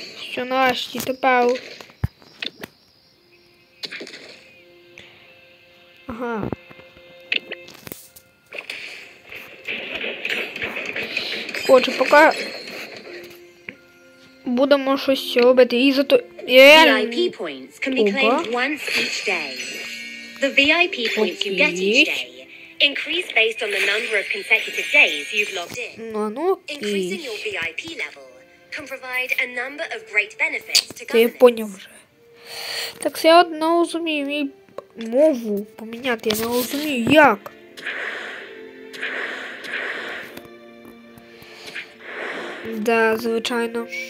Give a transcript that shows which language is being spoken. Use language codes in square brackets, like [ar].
[uk] Що нарешті тепер? Ага. Отже, поки будемо щось робити. І зато [en] VIP points can be claimed once each day. The VIP points you get each day increase based on the number of consecutive days you've logged in. [uk] Ну, ну, [en] increasing your VIP level can provide a number of great benefits to governments. [uk] Я поняв вже. Так, я одно розумію, мій мову поміняти, я не розумію, як. Да, звичайно.